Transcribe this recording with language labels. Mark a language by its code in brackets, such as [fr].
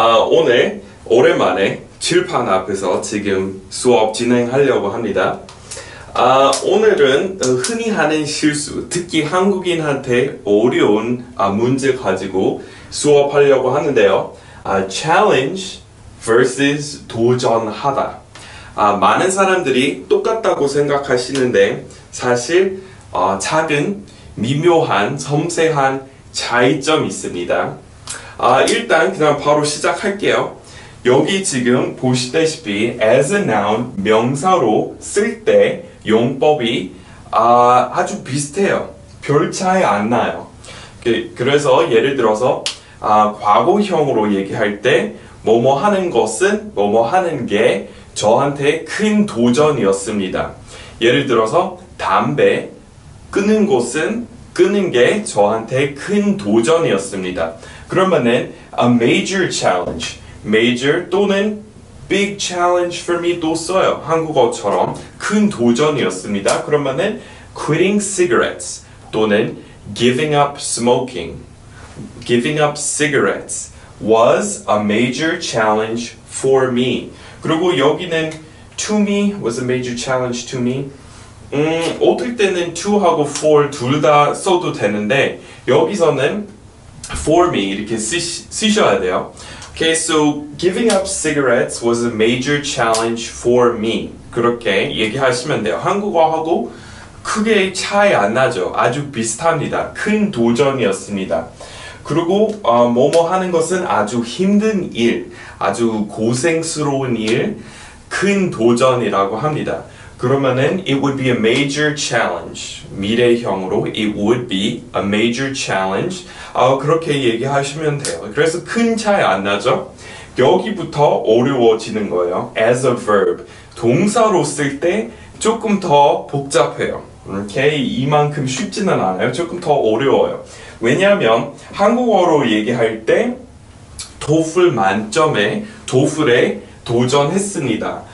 [ko] 오늘 오랜만에 칠판 앞에서 지금 수업 진행하려고 합니다. 오늘은 흔히 하는 실수, 특히 한국인한테 어려운 문제 가지고 수업하려고 하는데요. [en] Challenge versus 도전하다. [ko] 많은 사람들이 똑같다고 생각하시는데 사실 작은 미묘한, 섬세한 차이점이 있습니다. 일단 그냥 바로 시작할게요. 여기 지금 보시다시피 as a noun, 명사로 쓸 때 용법이 아주 비슷해요. 별 차이 안 나요. 그래서 예를 들어서 과거형으로 얘기할 때 뭐뭐 하는 것은, 뭐뭐 하는 게 저한테 큰 도전이었습니다. 예를 들어서 담배 끊는 것은, 끊는 게 저한테 큰 도전이었습니다. [en] 그러면은 a major challenge, major 또는 big challenge for me 또 써요. [ko] 한국어처럼 큰 도전이었습니다. [en] 그러면은 quitting cigarettes 또는 giving up smoking, giving up cigarettes was a major challenge for me. 그리고 여기는 to me was a major challenge to me. [ko] 어떨 때는 to하고 for 둘 다 써도 되는데 여기서는 for me 이렇게 쓰셔야 돼요. [en] Okay, so giving up cigarettes was a major challenge for me. [ko] 그렇게 얘기하시면 돼요. 한국어하고 크게 차이 안 나죠. 아주 비슷합니다. 큰 도전이었습니다. 그리고 뭐뭐 하는 것은 아주 힘든 일, 아주 고생스러운 일, 큰 도전이라고 합니다. [en] 그러면은 it would be a major challenge. 미래형으로 it would be a major challenge. [ko] 그렇게 얘기하시면 돼요. 그래서 큰 차이 안 나죠? 여기부터 어려워지는 거예요. [en] As a verb. [ko] 동사로 쓸 때 조금 더 복잡해요. Okay? 이만큼 쉽지는 않아요. 조금 더 어려워요. 왜냐하면 한국어로 얘기할 때 TOEFL 만점에 TOEFL에 도전했습니다.